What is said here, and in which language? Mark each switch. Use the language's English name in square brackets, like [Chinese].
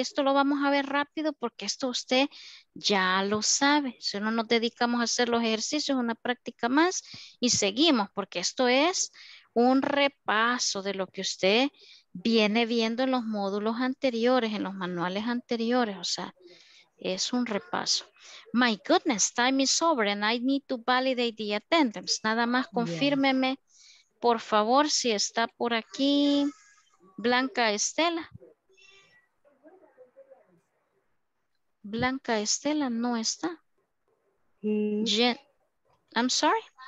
[Spanish] Esto lo vamos a ver rápido porque esto usted ya lo sabe. Si no nos dedicamos a hacer los ejercicios, una práctica más y seguimos porque esto es un repaso de lo que usted viene viendo en los módulos anteriores, en los manuales anteriores, o sea, es un repaso. [English] My goodness, time is over and I need to validate the attendance. [Spanish] Nada más confírmeme, por favor, si está por aquí Blanca Estela. Blanca Estela no está. [English] I'm sorry.